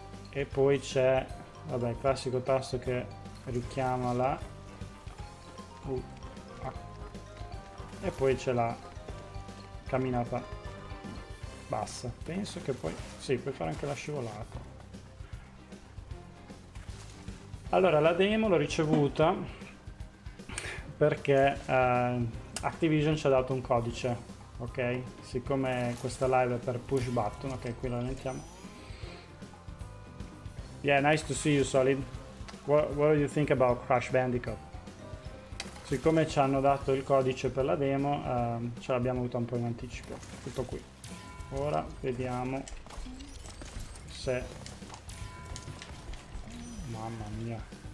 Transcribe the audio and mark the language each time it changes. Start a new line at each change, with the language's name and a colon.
Italian: e poi c'è, vabbè, il classico tasto che richiama la, e poi c'è la camminata bassa, penso che poi sì, puoi fare anche la scivolata. Allora, la demo l'ho ricevuta perché Activision ci ha dato un codice, ok, siccome questa live è per Push Button, ok, qui la rallentiamo.
English: Yeah, nice to see you Solid, what do you think about Crash Bandicoot?
Italian: siccome ci hanno dato il codice per la demo, ce l'abbiamo avuto un po' in anticipo. Tutto qui. Ora vediamo se... Mamma mia.